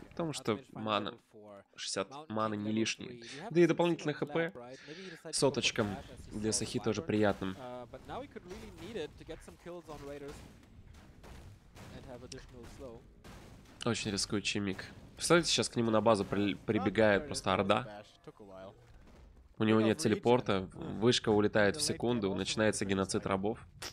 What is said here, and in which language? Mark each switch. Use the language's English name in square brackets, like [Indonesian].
[Russian] Потому что мана... 60 маны не лишние. Да и дополнительный ХП соточкам для Сахи тоже приятным. [English] Now he could really need it to get some kills on Raiders and have additional slow. [Russian] Очень рискующий миг. Представляете, сейчас к нему на базу прибегает просто орда. У него нет телепорта, вышка улетает в секунду, начинается геноцид рабов.